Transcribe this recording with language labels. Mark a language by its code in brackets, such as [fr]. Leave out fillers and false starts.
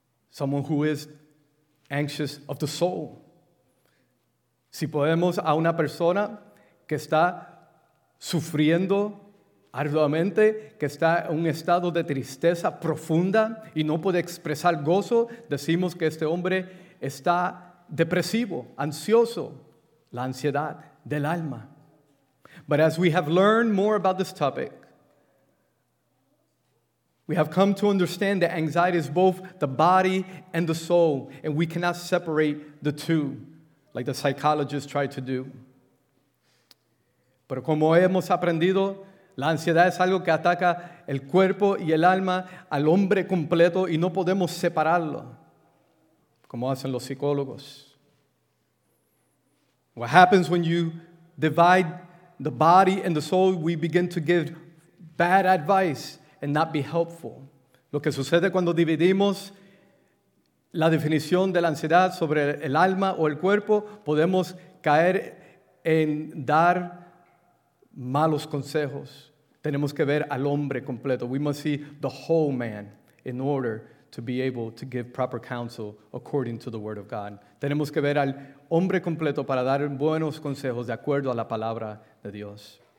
[en] Someone who is anxious of the soul. [es] Si podemos a una persona que está sufriendo arduamente, que está en un estado de tristeza profunda y no puede expresar gozo, decimos que este hombre está depresivo, ansioso, la ansiedad del alma. [en] But as we have learned more about this topic, We have come to understand that anxiety is both the body and the soul, and we cannot separate the two, like the psychologists try to do. [es] Pero como hemos aprendido, la ansiedad es algo que ataca el cuerpo y el alma al hombre completo y no podemos separarlo, como hacen los psicólogos. [en] What happens when you divide the body and the soul, we begin to give bad advice and not be helpful. [es] Lo que sucede cuando dividimos la definición de la ansiedad sobre el alma o el cuerpo, podemos caer en dar malos consejos. Tenemos que ver al hombre completo. [en] We must see the whole man in order to be able to give proper counsel according to the word of God. [es] Tenemos que ver al hombre completo para dar buenos consejos de acuerdo a la palabra de Dios.